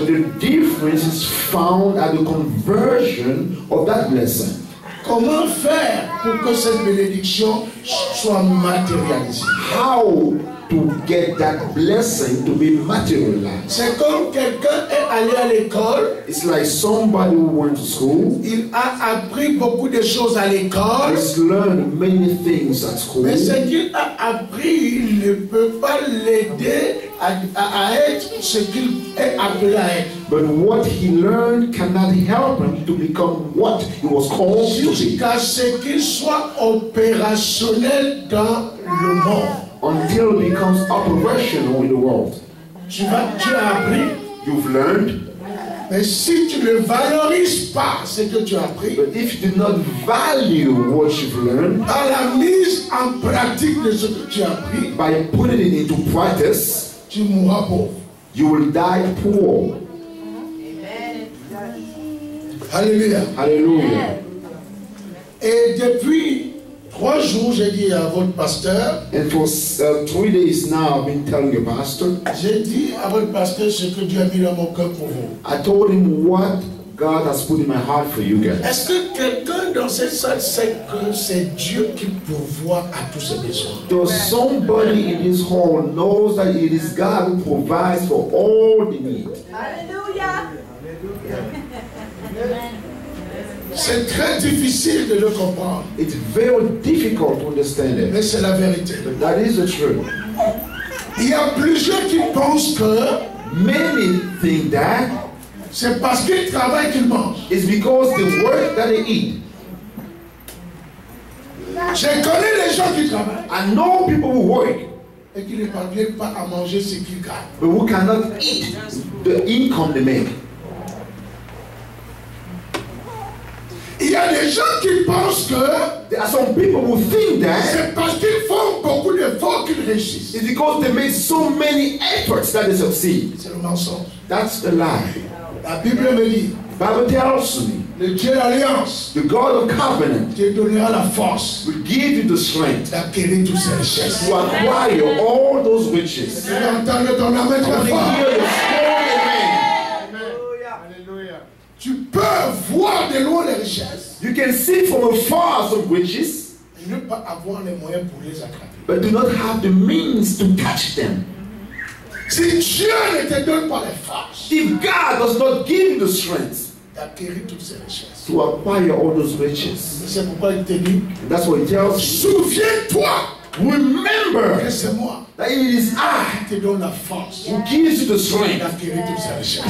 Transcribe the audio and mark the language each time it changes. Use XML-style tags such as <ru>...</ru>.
<en>But the difference is found at the conversion of that blessing.</en> <fr>Comment faire pour que cette bénédiction soit matérialisée?</fr> <en>How to get that blessing to be materialized?</en> <fr>C'est comme quelqu'un est allé à l'école.</fr> <en>It's like somebody who went to school.</en> <fr>Il a appris beaucoup de choses à l'école.</fr> <en>He's learned many things at school.</en> <fr>Mais ce qu'il a appris ne peut pas l'aider à être ce qu'il est appelé à être.</fr> <en>But what he learned cannot help him to become what he was called to be.</en> <fr>Jusqu'à ce qu'il soit opérationnel dans le monde.</fr> <en>Until it becomes operational in the world.</en> <fr>Tu as appris.</fr> <en>You've learned.</en> <fr>Mais si tu ne valorises pas ce que tu as appris.</fr> <en>But if you do not value what you've learned.</en> <fr>À la mise en pratique de ce que tu as appris.</fr> <en>By putting it into practice.</en> <fr>Tu mourras pauvre.</fr> <en>You will die poor. Alléluia. Alléluia.</en> <fr>Et depuis 3 jours, j'ai dit à votre pasteur.</fr> <en>And for 3 days now, I've been telling your pastor.</en> <fr>J'ai dit à votre pasteur ce que Dieu a mis dans mon cœur pour vous.</fr> <en>I told him what God has put in my heart for you guys.</en> <fr>Est-ce que quelqu'un dans cette salle sait que c'est Dieu qui pourvoit à tous ses besoins?</fr> <en>Does somebody in this hall knows that it is God who provides for all the need? Alléluia. Alléluia.</en> <fr>C'est très difficile de le comprendre.</fr> <en>It's very difficult to understand it.</en> <fr>Mais c'est la vérité.</fr> <en>But that is the truth.</en> <fr>Il y a plusieurs qui pensent que</fr> <en>many think that</en> <fr>c'est parce qu'ils travaillent qu'ils mangent.</fr> <en>It's because the work that they eat.</en> <fr>Je connais les gens qui travaillent.</fr> <en>I know people who work.</en> <fr>Et qui ne parviennent pas à manger ce qu'ils gagnent.</fr> <en>But who cannot eat the income they make.</en> <fr>Il y a des gens qui pensent que</fr> <en>there are some people who think that</en> <fr>c'est parce qu'ils font beaucoup d'efforts qu'ils réussissent.</fr> <en>It's because they make so many efforts that they succeed.</en> <fr>C'est le mensonge.</fr> <en>That's a lie.</en> <fr>La Bible me dit.</fr> <en>Bible tells me.</en> <fr>Le Dieu d'alliance.</fr> <en>The God of covenant.</en> <fr>Te donnera la force.</fr> <en>Will give you the strength.</en> <fr>D'acquérir toutes ces richesses.</fr> <en>To acquire all those riches.</en> <fr>Tu vas entendre ton amen très fort.</fr> <en>Hear your strong amen.</en> <fr>Tu peux voir de loin les richesses.</fr> <en>You can see from afar some riches.</en> <fr>Et ne pas avoir les moyens pour les attraper.</fr> <en>But do not have the means to catch them.</en> <fr>Si Dieu ne te donne pas les forces.</fr> <en>If God does not give you the strength.</en> <fr>D'acquérir toutes ces richesses.</fr> <en>To acquire all those riches.</en> <fr>C'est pourquoi il te dit.</fr> <en>And that's what he tells you.</en> <fr>Souviens-toi.</fr> <en>Remember.</en> <fr>Que c'est moi.</fr> <en>That it is I</en> <fr>te donne la force.</fr> <en>Who gives you the strength.</en> <fr>D'acquérir toutes ces richesses.</fr>